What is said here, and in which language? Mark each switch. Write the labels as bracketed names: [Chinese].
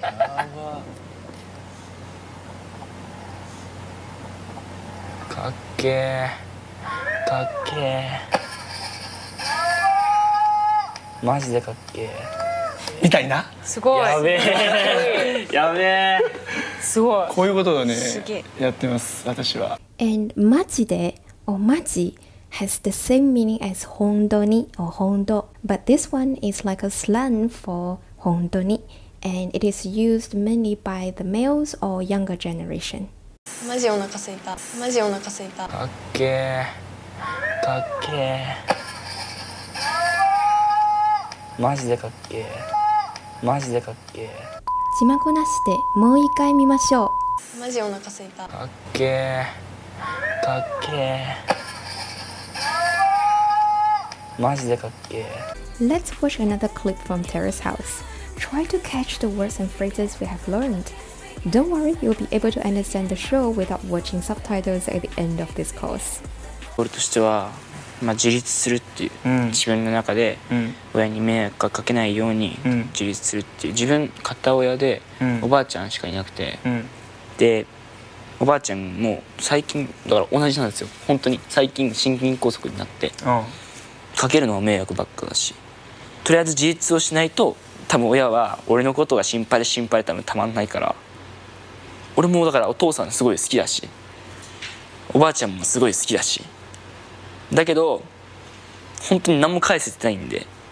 [Japanese] かっけーかっけマジでかっけえみたいな。すごい、やべえやべえすごい、こういうことをねやってます、私は。 [English] And [Japanese] マジでおマジ [English] has the same meaning as 本当に or 本当 but this one is like a slang for 本当に and it is used mainly by the males or younger generation. [Japanese] マジお腹すいた、マジお腹すいた、かっけえかっけえマジでかっけえマジでかっけえ。字幕なしでもう一回見ましょう。マジお腹すいた、かっけえかっけえマジでかっけえ。 [English] Let's watch another clip from Terrace House. Try to catch the words and phrases we have learned. Don't worry, you'll be able to understand the show without watching subtitles at the end of this course. [Japanese] 俺としては、まあ、自立するっていう、うん、自分の中で親に迷惑がかけないように自立するっていう、自分片親でおばあちゃんしかいなくて、うん、でおばあちゃんも最近だから同じなんですよ、本当に最近心筋梗塞になって、うん、かけるのは迷惑ばっかだし、とりあえず自立をしないと多分親は俺のことが心配で心配で多分たまんないから、俺もだからお父さんすごい好きだしおばあちゃんもすごい好きだし、だけど本当に何も返せてないんで。